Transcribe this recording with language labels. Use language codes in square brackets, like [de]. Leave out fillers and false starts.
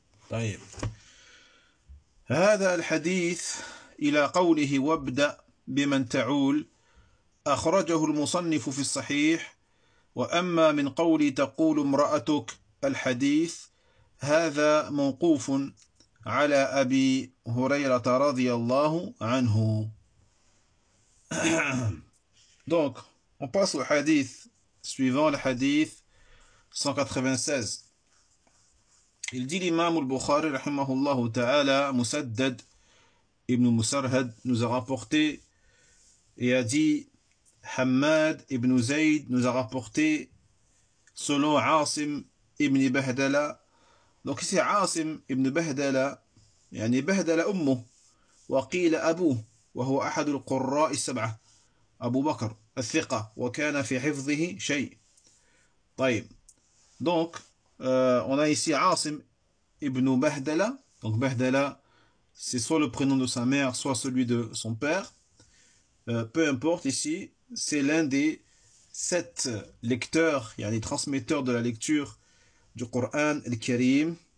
[ar] طيب، هذا الحديث إلى قوله وابدأ بمن تعول أخرجه المصنف في الصحيح، وأما من قولي تقول امرأتك الحديث هذا موقوف على أبي هريرة رضي الله عنه. [fr] Donc, on passe au hadith suivant, le hadith 196. Il dit l'imam al-Bukhari, rahimahullah ta'ala, Musaddad ibn Musarhad nous a rapporté et a dit Hamad ibn Zayd nous a rapporté selon Asim ibn Bahdala. Donc ici, [ar] عاصم ابن بهدلة يعني بهدلة أمه وقيل أبوه وهو أحد القراء السبعة أبو بكر الثقة وكان في حفظه شيء. [fr] طيب، donc on a ici عاصم ابن بهدلة. Donc بهدلة c'est soit le prénom de sa mère soit celui de son père. Peu importe, ici c'est l'un des sept lecteurs يعني transmetteurs de la lecture du Coran al-Karim.